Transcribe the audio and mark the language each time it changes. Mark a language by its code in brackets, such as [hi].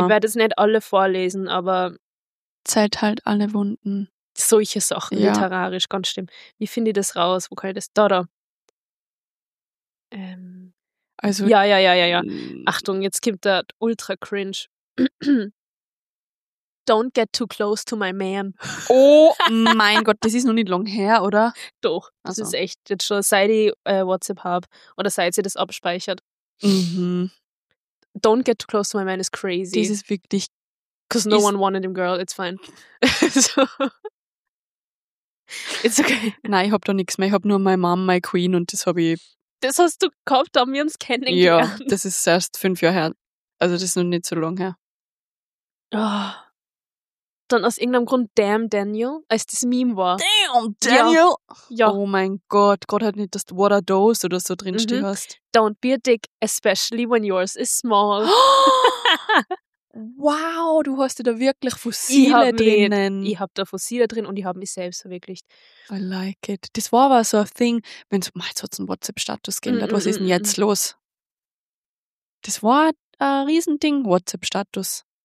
[de] Ich werde es nicht alle vorlesen, aber... Zeit halt alle Wunden. Solche Sachen, ja. Literarisch, ganz stimmt. Wie finde ich das raus? Wo kann ich das... Da. Also, ja. Achtung, jetzt kommt der ultra cringe. [en] Don't get too close to my man. [de] Oh mein Gott, das ist noch nicht lang her, oder? Doch, das ist echt jetzt schon, seit ich WhatsApp habe oder seit sie das abspeichert. Mhm. [en] Don't get too close to my man is crazy. [de] Das ist wirklich. [en] Because no one wanted him, girl, it's fine. So. It's okay. [de] Nein, ich hab da nichts mehr. Ich hab nur [en] my mom, my queen [de] und das habe ich. Das hast du gehabt, da haben wir uns kennengelernt. Ja, das ist erst 5 Jahre her. Also das ist noch nicht so lang her. Oh. Dann aus irgendeinem Grund Damn Daniel, als das Meme war. [en] Damn Daniel! [de] Ja. Oh mein Gott, Gott hat nicht, dass du What a Dose oder so drinstehen hast. [en] Don't be a dick, especially when yours is small. [de] Wow, du hast da wirklich Fossile drinnen. Ich hab da Fossile drin und ich habe mich selbst verwirklicht. [en] I like it. [de] Das war aber so ein Thing, wenn es mal so zum WhatsApp-Status geht. Was ist denn jetzt los? Das war ein Riesending, WhatsApp-Status.